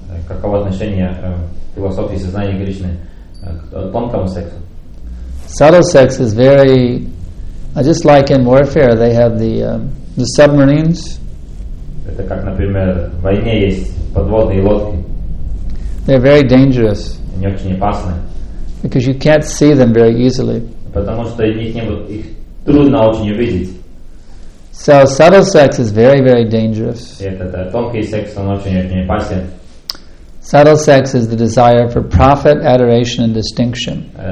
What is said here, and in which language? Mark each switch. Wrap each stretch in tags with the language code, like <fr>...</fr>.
<ru>Каково отношение философии сознания Кришны к тонкому сексу?</ru> <en>Subtle sex is very, just like in warfare, they have the submarines.</en> <ru>Это как, например, в войне есть подводные лодки.</ru> <en>They're very dangerous.</en> <ru>Они очень опасны.</ru> <en>Because you can't see them very easily.</en> <ru>Потому что их трудно очень увидеть.</ru> <en>So subtle sex is very, very dangerous.</en> <ru>Тонкий секс, он очень опасен.</ru> <en>Subtle sex is the desire for profit, adoration, and distinction.</en>